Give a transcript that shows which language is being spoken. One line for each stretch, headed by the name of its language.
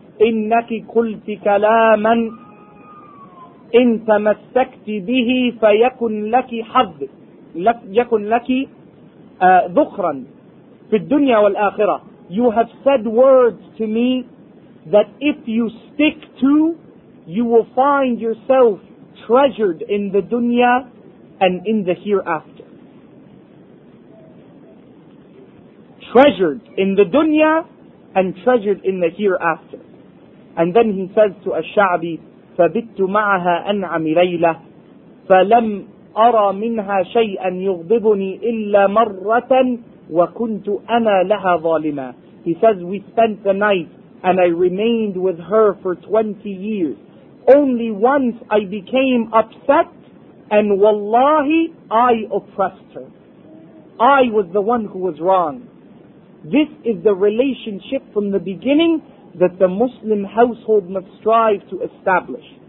Arabic: إنك قلت كلاما إن تمسكت به فيكن لك حظ يكن لك ذخرا في الدنيا والآخرة.
English: You have said words to me that if you stick to, you will find yourself treasured in the dunya and in the hereafter. Treasured in the dunya and treasured in the hereafter. And then he says to Ash-Sha'bi,
Arabic: فَبِتُّ مَعَهَا أَنْعَمِ لَيْلَةً فَلَمْ أَرَى مِنْهَا شَيْئًا يُغْضِبُنِي إِلَّا مَرَّةً وَكُنْتُ أَنَا لَهَا ظَالِمًا.
English: He says, we spent the night and I remained with her for 20 years. Only once I became upset and wallahi, I oppressed her. I was the one who was wrong. This is the relationship from the beginning that the Muslim household must strive to establish.